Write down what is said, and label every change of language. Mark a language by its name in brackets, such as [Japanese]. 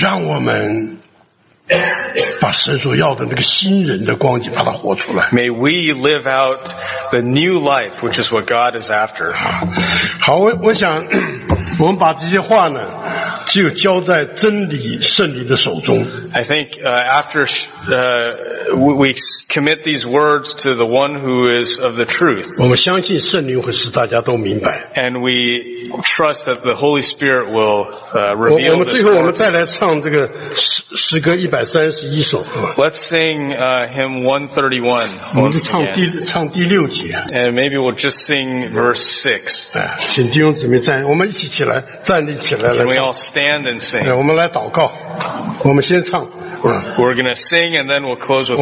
[Chinese] 让我们把神所要的那个新人的光景把它活出来。 [English] May we live out the new life, which is what God is after. [Chinese] 好，我想我们把这些话呢就交在真理圣灵的手中。 [English] I think, after we commit these words to the one who is of the truth. [Chinese] 我们相信圣灵会使大家都明白。 [English] And we trust that the Holy Spirit will, reveal this. [Chinese] 我们最后我们再来唱这个诗歌131首。 [English] Let's sing, hymn 131. [Chinese] 我们就唱第六节。 [English] And maybe we'll just sing verse 6. [Chinese] 请弟兄姊妹站，我们一起起来，站立起来来唱。 [English] Stand and sing. [Chinese] 我们来祷告。我们先唱。 [English] We're going to sing and then we'll close with prayer.